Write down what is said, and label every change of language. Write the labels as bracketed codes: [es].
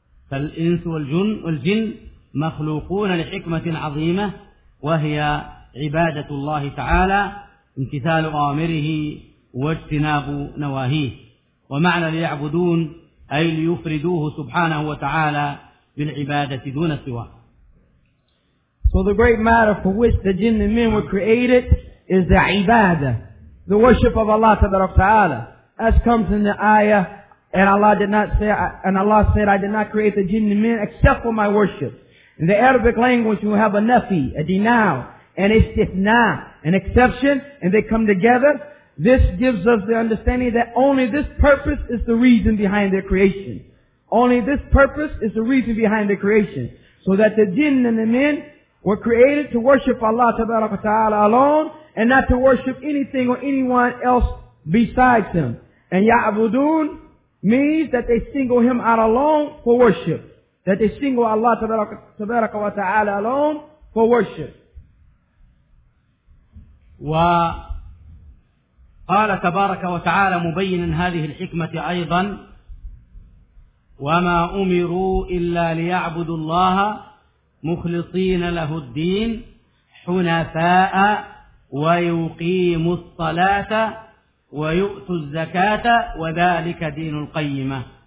[ar] فالإنس والجن مخلوقون لحكمة عظيمة وهي عبادة الله تعالى, امتثال أوامره واجتناب نواهيه. ومعنى ليعبدون أي ليفردوه سبحانه وتعالى بالعبادة دون سواه. [en] So the great matter for which the jinn and men were created is the ibadah, the worship of Allah Ta'ala. As comes in the ayah, Allah said, I did not create the jinn and men except for my worship. In the Arabic language, you have a nafi, a denial, and a istithna, an exception, and they come together. This gives us the understanding that only this purpose is the reason behind their creation. Only this purpose is the reason behind their creation. So that the jinn and the men were created to worship Allah Ta'ala alone, and not to worship anything or anyone else besides Him. And ya'budun means that they single Him out alone for worship. That they single Allah Ta'ala alone for worship. [ar] قال تبارك وتعالى مبينا هذه الحكمة أيضا, وما أمروا إلا ليعبدوا الله مخلصين له الدين حنفاء ويقيموا الصلاة ويؤتوا الزكاة وذلك دين القيمة.